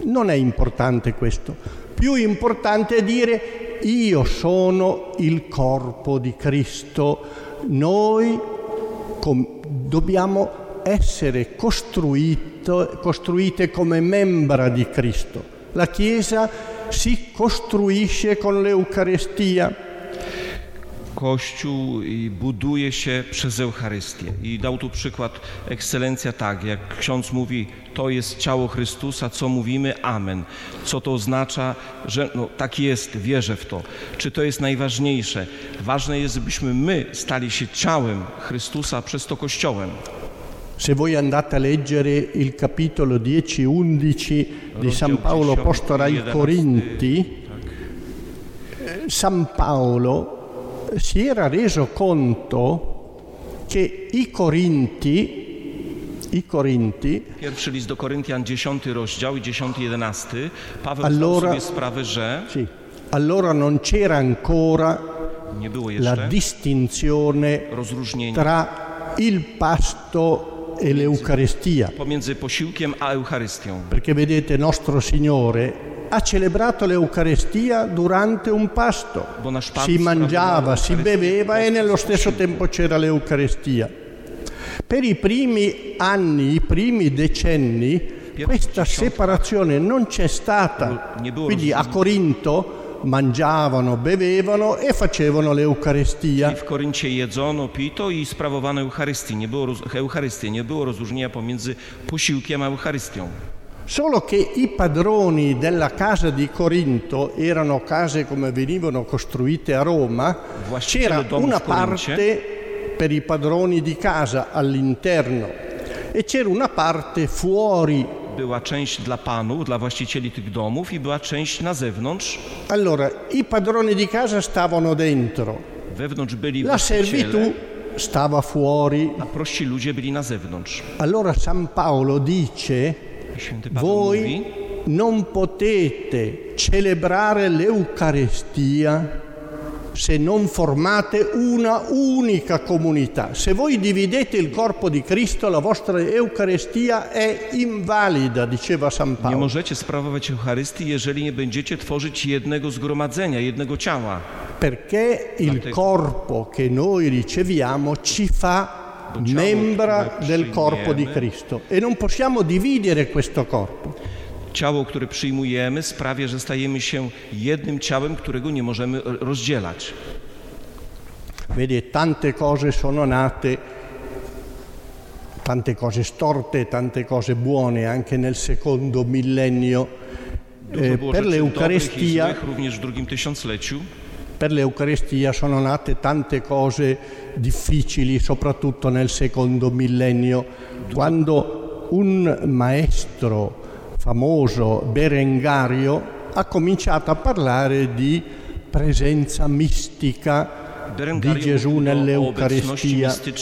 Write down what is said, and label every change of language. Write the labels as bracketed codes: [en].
[it] Non è importante questo. Più importante è dire: io sono il corpo di Cristo. Noi dobbiamo essere costruite come membra di Cristo. La Chiesa si costruisce con l'Eucaristia. [pl] Kościół buduje się przez Eucharystię. I dał tu przykład ekscelencja tak, jak ksiądz mówi, to jest ciało Chrystusa, co mówimy? Amen. Co to oznacza, że no, tak jest, wierzę w to. Czy to jest najważniejsze? Ważne jest, byśmy my stali się ciałem Chrystusa, przez to Kościołem. [it] Se voi andate a leggere il capitolo 10-11 di San Paolo apostolo ai Corinti, San Paolo si era reso conto che i Corinti [pl] pierwszy list do Koryntian 10 rozdział i 10-11 Paweł zdał sobie sprawę, że [it] sì, allora non c'era ancora la distinzione tra il pasto e l'Eucaristia. [pl] Pomiędzy posiłkiem a Eucharystią. [it] Perché vedete, nostro Signore ha celebrato l'Eucaristia durante un pasto. Si mangiava, si beveva e nello stesso tempo c'era l'Eucaristia. Per i primi anni, i primi decenni, questa separazione non c'è stata. Quindi a Corinto mangiavano, bevevano e facevano l'Eucaristia. [pl] W Koryncie jedzono, pito i sprawowano Eucharystię. Nie było Eucharystii, nie było rozróżnienia pomiędzy posiłkiem a Eucharystią. [it] Solo che i padroni della casa di Corinto erano case come venivano costruite a Roma, c'era una parte per i padroni di casa all'interno e c'era una parte fuori. [pl] Była część dla panów, dla właścicieli tych domów i była część na zewnątrz. [it] Allora, i padroni di casa stavano dentro. [pl] Wewnątrz byli właściciele. [it] La servitù stava fuori. [pl] A prości ludzie byli na zewnątrz. [it] Allora San Paolo dice: voi non potete celebrare l'Eucaristia se non formate una unica comunità. Se voi dividete il corpo di Cristo, la vostra Eucaristia è invalida, diceva San Paolo. [pl] Nie możecie sprawować Eucharystii, jeżeli nie będziecie tworzyć jednego zgromadzenia, jednego ciała. [it] Perché il corpo che noi riceviamo ci fa membra del corpo di Cristo e non possiamo dividere questo corpo. [pl] Ciało, które przyjmujemy, sprawia, że stajemy się jednym ciałem, którego nie możemy rozdzielać. [it] Vedi, tante cose sono nate, tante cose storte, tante cose buone anche nel secondo millennio. Per l'Eucaristia, [pl] również w drugim tysiącleciu. [it] Per l'Eucaristia sono nate tante cose difficili, soprattutto nel secondo millennio, quando un maestro famoso Berengario ha cominciato a parlare di presenza mistica di Gesù nell'Eucaristia.